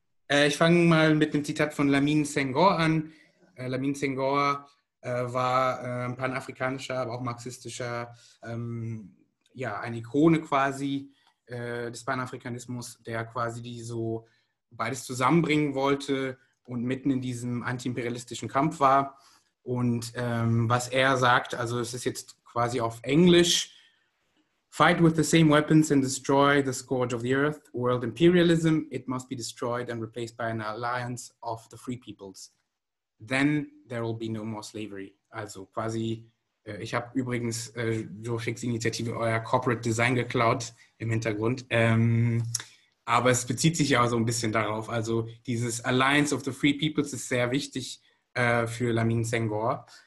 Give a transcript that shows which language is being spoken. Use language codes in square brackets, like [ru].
[de] Ich fange mal mit einem Zitat von Lamine Senghor an. Lamine Senghor war ein panafrikanischer, aber auch marxistischer, eine Ikone quasi des Panafrikanismus, der quasi die so beides zusammenbringen wollte und mitten in diesem antiimperialistischen Kampf war. Und was er sagt, also es ist jetzt quasi auf Englisch: [en] Fight with the same weapons and destroy the scourge of the earth, world imperialism. It must be destroyed and replaced by an alliance of the free peoples. Then there will be no more slavery. [de] Also quasi, ich habe übrigens Joachim's Initiative euer Corporate Design geklaut im Hintergrund. Aber es bezieht sich ja auch so ein bisschen darauf. Also dieses [en] Alliance of the Free Peoples [de] ist sehr wichtig für Lamine Senghor.